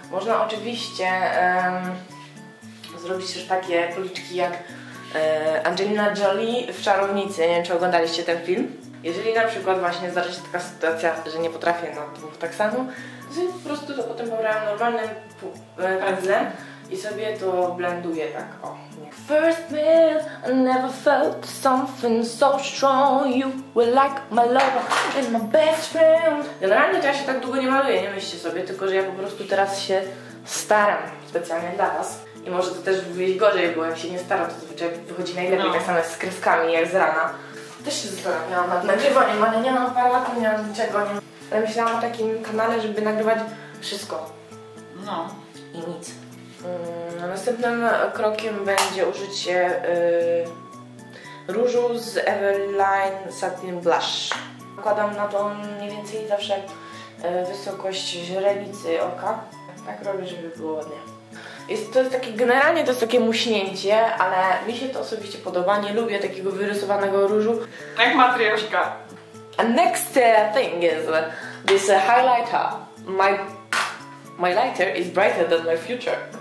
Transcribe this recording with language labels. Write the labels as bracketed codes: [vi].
[pl] Można oczywiście zrobić też takie policzki jak Angelina Jolie w Czarownicy. Nie wiem, czy oglądaliście ten film. Jeżeli na przykład właśnie zdarzy się taka sytuacja, że nie potrafię na dwóch tak samo, to po prostu to potem pobrałam normalnym pędzlem i sobie to blenduję tak, o. [en] First meal, I never felt something so strong. You were like my lover and my best friend. [pl] Generalnie to ja się tak długo nie maluję, nie myślcie sobie, tylko że ja po prostu teraz się staram specjalnie dla was. I może to też wyjść gorzej, bo jak się nie staram, to zazwyczaj wychodzi najlepiej, no. Tak samo z kreskami jak z rana. Też się zastanawiałam nad nagrywaniem, ale nie mam parę lat, nie mam niczego. Nie. Ale myślałam o takim kanale, żeby nagrywać wszystko. No. I nic. Następnym krokiem będzie użycie różu z Everlane Satin Blush. Nakładam na to mniej więcej zawsze wysokość źrenicy oka. Tak robię, żeby było ładnie. Generalnie to jest takie muśnięcie, ale mi się to osobiście podoba. Nie lubię takiego wyrysowanego różu. Jak matrioszka. [en] And next thing is this highlighter. My lighter is brighter than my future.